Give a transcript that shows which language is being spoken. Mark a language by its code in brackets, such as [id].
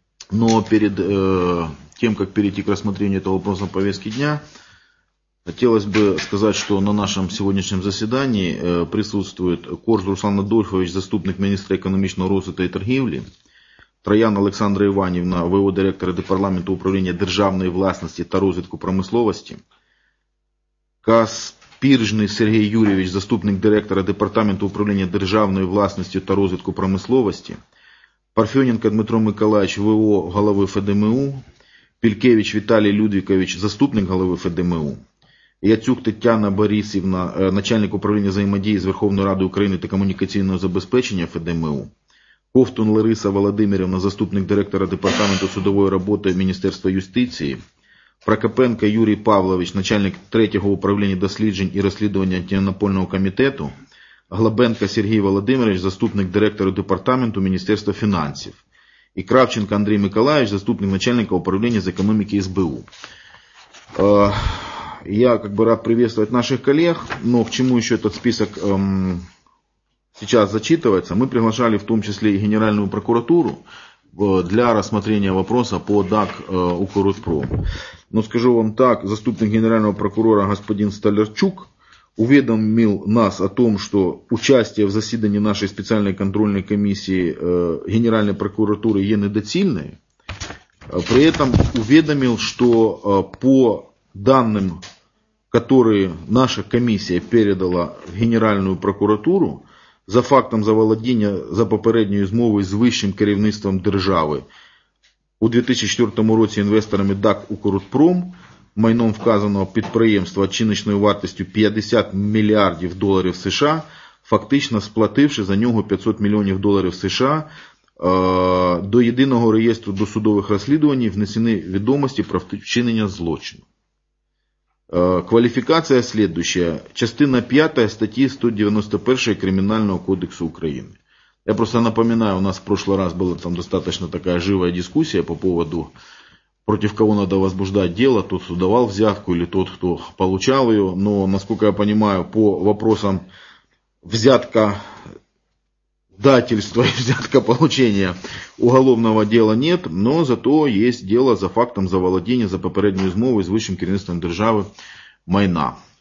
[ru] Но перед тем, как перейти к рассмотрению этого вопроса повестки дня, хотелось бы сказать, что на нашем сегодняшнем заседании присутствует Корж Руслан Адольфович, заступник министра экономического развития и торговли, Троян Олександра Іванівна, в.о. [uk] директора департаменту управління державної власності та розвитку промисловості, Каспіржний Сергій Юрійович, заступник директора департаменту управління державної власності та розвитку промисловості, Парфьоненко Дмитро Миколаївич, в.о. голови ФДМУ, Пількевич Віталій Людвікович, заступник голови ФДМУ, Яцюк Тетяна Борисівна, начальник управління взаємодії з Верховною Радою України та комунікаційного забезпечення ФДМУ, Ковтун Лариса Володимирівна, заступник директора департаменту судової роботи Міністерства юстиції, Прокопенко Юрій Павлович, начальник 3-го управління досліджень і розслідування антимонопольного комітету, Глобенко Сергій Володимирович, заступник директора департаменту Міністерства фінансів, і Кравченко Андрій Миколаївич, заступник начальника управління з економіки СБУ. [ru] Я как бы рад приветствовать наших коллег, но к чему еще этот список сейчас зачитывается, мы приглашали в том числе и Генеральную прокуратуру для рассмотрения вопроса по ДАК «Укрутпром». Но скажу вам так, заступник генерального прокурора господин Столярчук уведомил нас о том, что участие в заседании нашей специальной контрольной комиссии Генеральной прокуратуры [uk] є недоцільне. [ru] При этом уведомил, что по данным, которые наша комиссия передала в Генеральную прокуратуру, [uk] за фактом заволодіння за попередньою змовою з вищим керівництвом держави у 2004 році інвесторами ДАК «Укрутпром» майном вказаного підприємства оціночною вартістю 50 мільярдів доларів США, фактично сплативши за нього 500 мільйонів доларів США, до єдиного реєстру досудових розслідувань внесені відомості про вчинення злочину. Кваліфікація слідуюча, частина 5 статті 191 Кримінального кодексу України. [ru] Я просто напоминаю, у нас в прошлый раз [uk] була там достатньо така жива дискусія [ru] по поводу, против кого надо возбуждать дело, тот, кто давал взятку или тот, кто получал ее. Но, насколько я понимаю, по вопросам взятка дательства и взятка получения уголовного дела нет, но зато есть дело за фактом заволодения [uk] за попередньою змовою з вищим керівництвом держави майна.